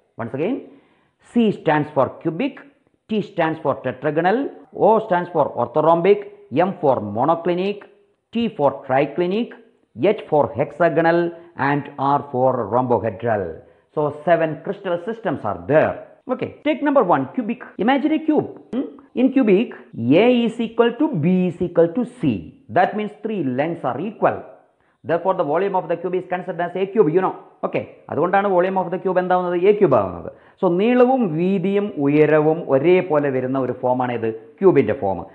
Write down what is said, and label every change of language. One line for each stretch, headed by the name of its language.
English: Once again, C stands for cubic, T stands for tetragonal, O stands for orthorhombic, M for monoclinic, T for triclinic, H for hexagonal, and R for rhombohedral. So seven crystal systems are there. Okay, take number one, cubic. Imagine a cube. In cubic a is equal to b is equal to c. That means three lengths are equal. Therefore, the volume of the cube is considered as a cube, you know. Okay.
Malayalam: അതുകൊണ്ടാണ്
English: volume of the cube
Malayalam: എന്താവുന്നത്? A cube ആവുന്നത്. So നീളവും വീതിയും ഉയരവും ഒരേപോലെ വരുന്ന ഒരു ഫോമാണ് ഇത്, ക്യൂബിൻ്റെ ഫോം.